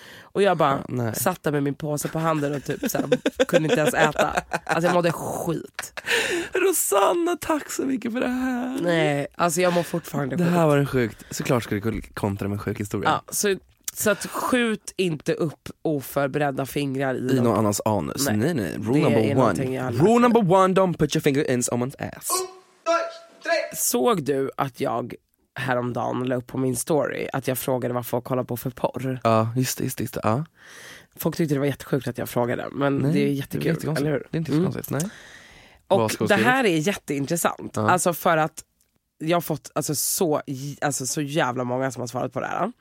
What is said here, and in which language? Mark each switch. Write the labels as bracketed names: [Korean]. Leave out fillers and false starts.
[Swedish] Och jag bara satt med min påse på handen och typ så här, kunde inte ens äta. Alltså jag mådde skit. Rosanna, tack så mycket för det här. Nej, alltså jag mår fortfarande sjukt. Det här var det sjukt. Såklart skulle du kontra med en sjuk historia. Ja, så att skjut inte upp oförberedda fingrar i någon annans anus. Nej. [English] Rule number one. Rule number one, don't put your finger in someone's ass. [Swedish] Såg du att jag häromdagen la upp på min story att jag frågade vad folk kollar på för porr? Ja, just det. Folk tyckte det var jättesjukt att jag frågade, men nej, det är jättekul, det är eller hur? Det är inte så konstigt, nej. Och det här är jätteintressant. Alltså för att jag har fått så jävla många som har svarat på det här.